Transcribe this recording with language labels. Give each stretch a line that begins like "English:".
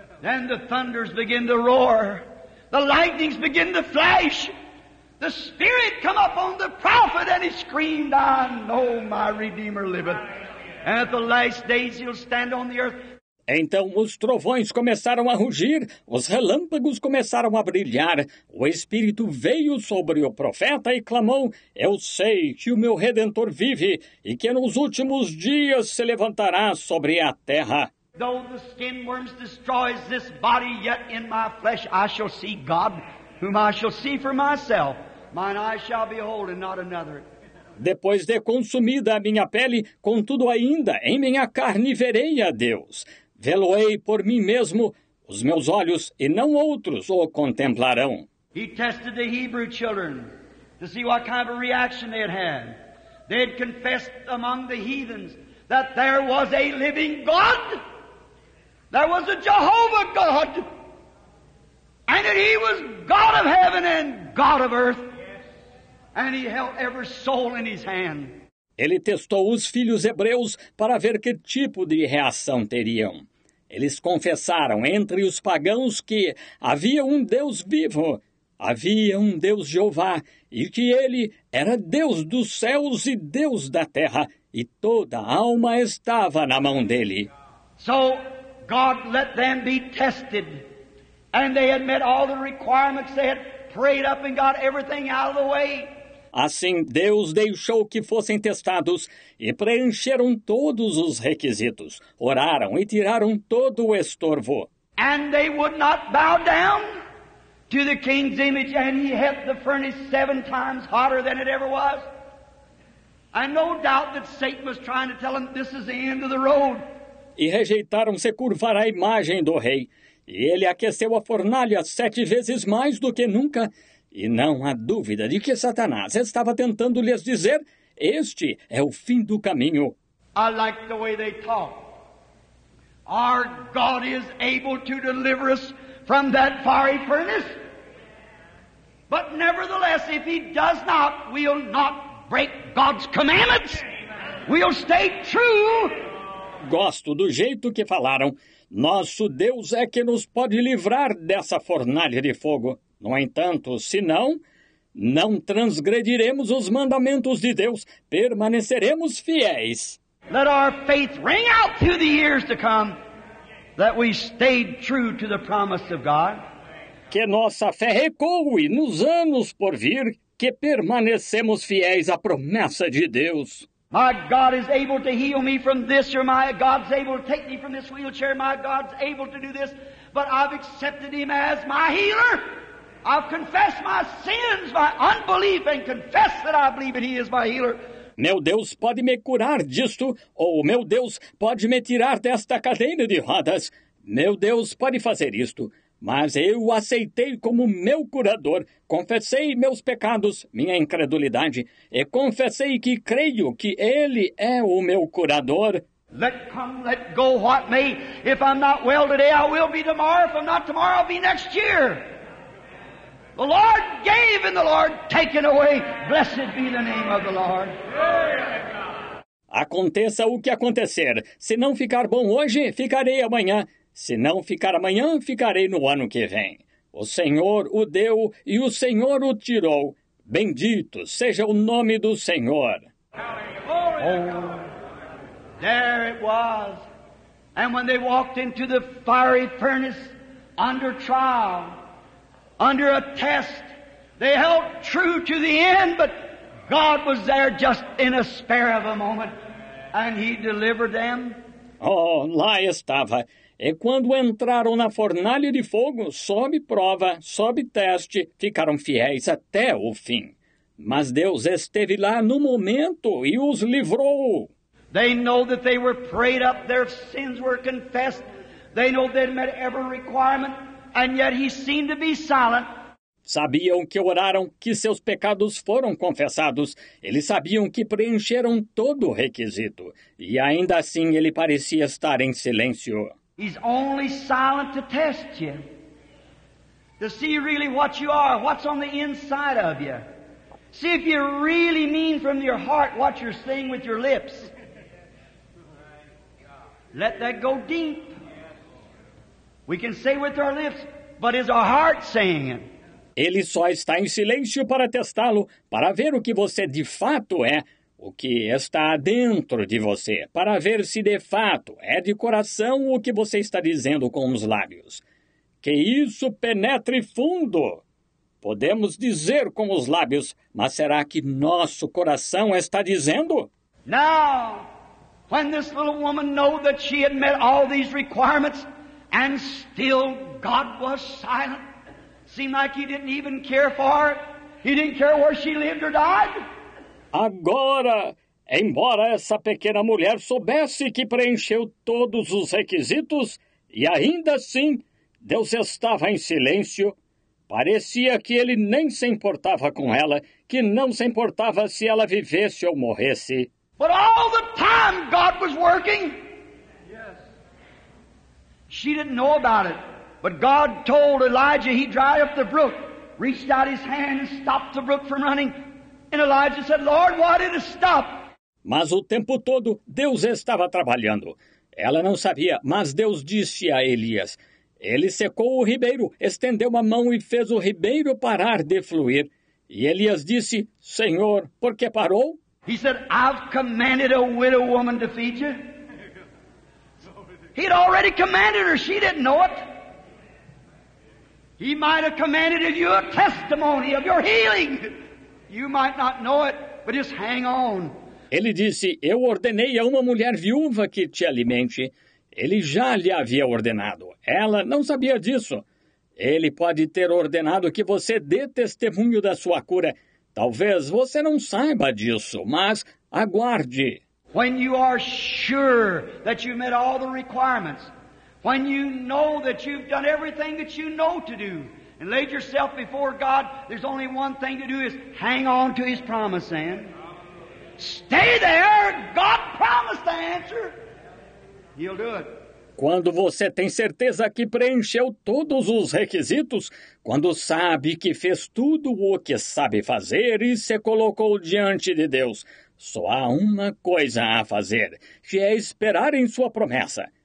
English: Then the thunders begin to roar. The lightnings begin to flash. The Spirit come upon the prophet and he screamed, I know my Redeemer liveth. And at the last days he'll stand on the earth.
Portuguese: Então os trovões começaram a rugir, os relâmpagos começaram a brilhar. O Espírito veio sobre o profeta e clamou, eu sei que o meu Redentor vive e que nos últimos dias se levantará sobre a terra.
English: Though the skin worms destroys this body, yet in my flesh I shall see God, whom I shall see for myself. Mine eyes shall behold and not another.
Portuguese: Depois de consumida a minha pele, contudo ainda em minha carne verei a Deus. Vê-lo-ei por mim mesmo, os meus olhos e não outros o contemplarão.
English: He tested the Hebrew children to see what kind of a reaction they had had. They had confessed among the heathens that there was a living God. There was a Jehovah God. And that he was God of heaven and God of earth. And he held every soul in his hand.
Portuguese: Ele testou os filhos hebreus para ver que tipo de reação teriam. Eles confessaram entre os pagãos que havia um Deus vivo, havia um Deus Jeová, e que ele era Deus dos céus e Deus da terra, e toda a alma estava na mão dele.
English: So, God let them be tested, and they had met all the requirements, they had prayed up and got everything out of the way.
Portuguese: Assim, Deus deixou que fossem testados e preencheram todos os requisitos. Oraram e tiraram todo o estorvo.
English: And they would not bow down to the king's image, and he had the furnace 7 times hotter than it ever was. And no doubt that Satan was trying to tell him, this is the end of the road.
Portuguese: E rejeitaram se curvar à imagem do rei. E ele aqueceu a fornalha 7 vezes mais do que nunca. E não há dúvida de que Satanás estava tentando lhes dizer, este é o fim do caminho.
English: I like the way they talk. Our God is able to deliver us from that fiery furnace. But nevertheless, if he does not, we'll not break God's commandments. We'll stay true.
Portuguese: Gosto do jeito que falaram. Nosso Deus é que nos pode livrar dessa fornalha de fogo. No entanto, se não, não transgrediremos os mandamentos de Deus, permaneceremos fiéis.
English: Let our faith ring out through the years to come, that we stayed true to the promise of God.
Portuguese: Que nossa fé recue nos anos por vir, que permanecemos fiéis à promessa de Deus.
English: My God is able to heal me from this, or my God's able to take me from this wheelchair, my God's able to do this, but I've accepted him as my healer. I've confessed my sins, my unbelief, and confess that I believe that he is my healer.
Portuguese: Meu Deus pode me curar disto, ou meu Deus pode me tirar desta cadeira de rodas. Meu Deus pode fazer isto, mas eu o aceitei como meu curador. Confessei meus pecados, minha incredulidade, e confessei que creio que ele é o meu curador.
English: Let come, let go what may. If I'm not well today, I will be tomorrow. If I'm not tomorrow, I'll be next year. The Lord gave and the Lord taken away. Blessed be the name of the Lord.
Portuguese: Aconteça o que acontecer. Se não ficar bom hoje, ficarei amanhã. Se não ficar amanhã, ficarei no ano que vem. O Senhor o deu e o Senhor o tirou. Bendito seja o nome do Senhor.
English: Oh, there it was. And when they walked into the fiery furnace under trial, under a test, they held true to the end, but God was there just in a spare of a moment, and he delivered them.
Portuguese: Oh, lá estava. E quando entraram na fornalha de fogo, sob prova, sob teste, ficaram fiéis até o fim. Mas Deus esteve lá no momento e os livrou.
English: They know that they were prayed up, their sins were confessed. They know they had met every requirement. and yet he seemed to be silent.
Portuguese: Sabiam que oraram, que seus pecados foram confessados. Eles sabiam que preencheram todo o requisito. E ainda assim ele parecia estar em silêncio.
English: He's only silent to test you. To see really what you are, what's on the inside of you. See if you really mean from your heart what you're saying with your lips. Let that go deep. We can say with our lips, but is our heart saying it?
Portuguese: Ele só está em silêncio para testá-lo, para ver o que você de fato é, o que está dentro de você, para ver se de fato é de coração o que você está dizendo com os lábios. Que isso penetre fundo. Podemos dizer com os lábios, mas será que nosso coração está dizendo?
English: Now, when this little woman knew that she had met all these requirements, and still God was silent, seemed like he didn't even care for her. He didn't care where she lived or died.
Portuguese: Agora, embora essa pequena mulher soubesse que preencheu todos os requisitos, e ainda assim, Deus estava em silêncio. Parecia que ele nem se importava com ela, que não se importava se ela vivesse ou morresse.
English: But all the time God was working. Yes. She didn't know about it. But God told Elijah, he dried up the brook, reached out his hand and stopped the brook from running. And Elijah said, Lord, why did it stop?
Portuguese: Mas o tempo todo, Deus estava trabalhando. Ela não sabia, mas Deus disse a Elias, ele secou o ribeiro, estendeu a mão e fez o ribeiro parar de fluir. E Elias disse, Senhor, por que parou?
English: He said, I've commanded a widow woman to feed you. He'd already commanded her, she didn't know it. He might have commanded of you a testimony of your healing. You might not know it, but just hang on.
Portuguese: Ele disse, eu ordenei a uma mulher viúva que te alimente. Ele já lhe havia ordenado. Ela não sabia disso. Ele pode ter ordenado que você dê testemunho da sua cura. Talvez você não saiba disso, mas aguarde.
English: When you are sure that you met all the requirements, when you know that you've done everything that you know to do and laid yourself before God, there's only one thing to do is hang on to his promise, Ann. Stay there. God promised the answer. He'll do it.
Portuguese: Quando você tem certeza que preencheu todos os requisitos, quando sabe que fez tudo o que sabe fazer e se colocou diante de Deus, só há uma coisa a fazer, que é esperar em sua promessa.